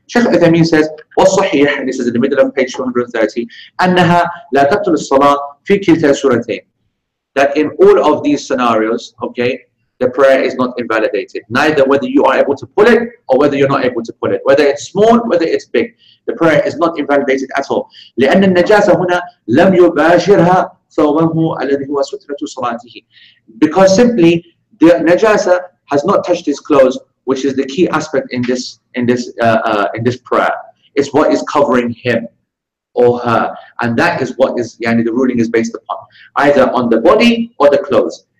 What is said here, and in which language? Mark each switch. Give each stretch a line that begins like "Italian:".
English: Sheikh Uthaymeen says, وَالصُحِيحَ, and this is in the middle of page 230,
Arabic: أَنَّهَا لَا تَبْتُلُ الصَّلَاةِ فِي كِلْتَى سُرَتَيْنِ,
English: that in all of these scenarios, okay, the prayer is not invalidated. Neither whether you are able to pull it or whether you're not able to pull it. Whether it's small, whether it's big, the prayer is not invalidated at all.
Arabic: لأن النجاسة هنا لم يباشرها ثوبه الذي هو سترة صلاته.
English: Because simply the najasa has not touched his clothes, which is the key aspect in this prayer. It's what is covering him or her, and that is what is yani the ruling is based upon, either on the body or the clothes.